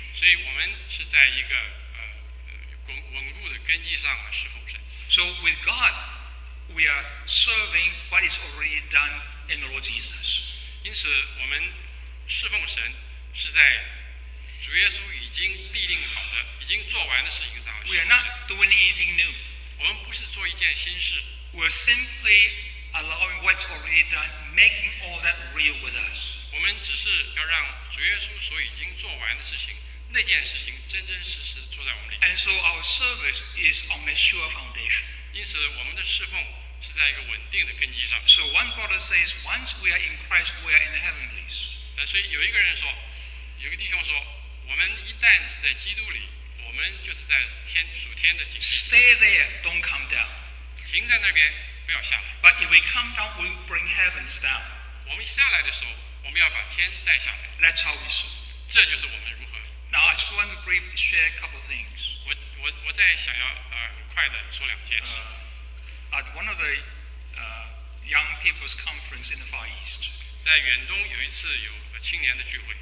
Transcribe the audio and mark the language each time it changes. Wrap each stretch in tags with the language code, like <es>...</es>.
<zh>所以我们是在一个稳固的根基上来侍奉神。</zh> <en>So with God, we are serving what is already done in the Lord Jesus.</en> <zh>因此我们侍奉神是在主耶稣已经立定好的、已经做完的事情上来侍奉神。</zh> <en>We are not doing anything new.</en> <zh>我们不是做一件新事。</zh> <en>We're simply allowing what's already done, making all that real with us.</en> <zh>我们只是要让主耶稣所已经做完的事情，那件事情真真实实坐在我们里面。</zh> <en>And so our service is on a sure foundation.</en> <zh>因此我们的侍奉是在一个稳定的根基上。</zh> <en>So one brother says, once we are in Christ, we are in the heavenlies.</en> <zh>所以有一个人说，有个弟兄说，我们一旦是在基督里，我们就是在天属天的境界。</zh> <en>Stay there, don't come down.</en> <zh>停在那边，不要下来。</zh> <en>But if we come down, we bring heavens down.</en> <zh>我们下来的时候，我们要把天带下来。</zh> <en>That's how we serve.</en> <zh>这就是我们。</zh> <en>Now I just want to briefly share a couple of things.</en> <zh>我再想要很快的说两件事。</zh> <en>At one of the young people's conference in the Far East,</en> <zh>在远东有一次有青年的聚会。</zh>